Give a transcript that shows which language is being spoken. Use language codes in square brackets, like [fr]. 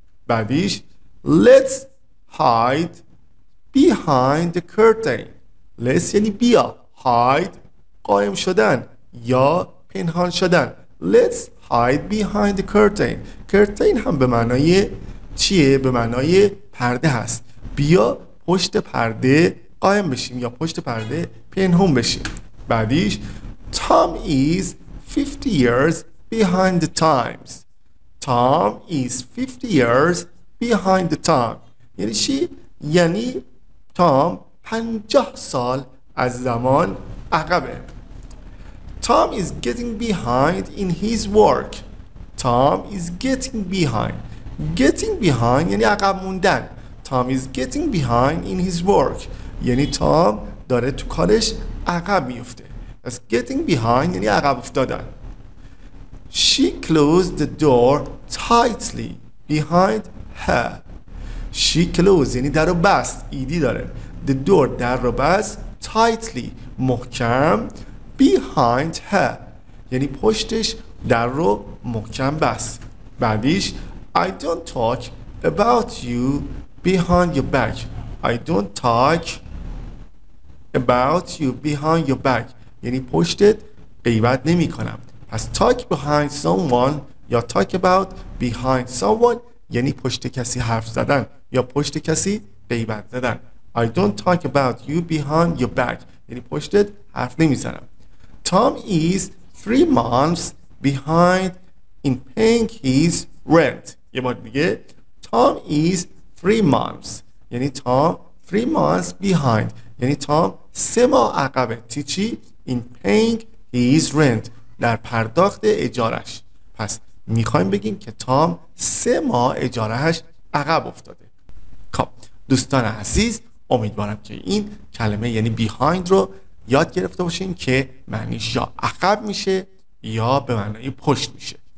[fa] بعدیش [en] let's hide behind the curtain، [fa] let's یعنی بیا، hide قائم شدن یا پنهان شدن. [en] let's hide behind the curtain، [fa] curtain هم به معنای چیه؟ به معنای پرده هست. بیا پشت پرده قائم بشیم یا پشت پرده پنهان بشیم. بعدیش [en] Tom is 50 years behind the times، Tom is 50 years behind the time [fa] یعنی چی؟ یعنی تام 50 سال از زمان عقبه. [en] Tom is getting behind in his work، Tom is getting behind، getting behind [fa] یعنی عقب موندن. [en] Tom is getting behind in his work [fa] یعنی تام داره تو کارش عقب میفته. پس getting behind یعنی عقب افتادن. [en] She closed the door tightly behind her، [fa] she closed یعنی در رو بست، ایدی داره، the door در رو بست tightly محکم، behind her یعنی پشتش در رو محکم بست. بعدیش [en] I don't talk about you behind your back، I don't talk about you behind your back [fa] یعنی پشتت غیبت نمی کنم. پس [en] talk behind someone [fa] یا [en] talk about behind someone [fa] یعنی پشت کسی حرف زدن یا پشت کسی غیبت زدن. [en] I don't talk about you behind your back. [fa] یعنی پشتت حرف نمیزنم. [en] Tom is 3 months behind in paying his rent. [fa] یه بار دیگه. [en] Tom is 3 months. یعنی Tom 3 months behind. [fa] یعنی Tom 3 ماه عقبه. [en] تیچی in paying his rent. [fa] در پرداخت اجارش. پس میخوایم بگیم که Tom 3 ماه اجارهش عقب افتاده. خب دوستان عزیز، امیدوارم که این کلمه یعنی behind رو یاد گرفته باشین که معنیش یا عقب میشه یا به معنی پشت میشه.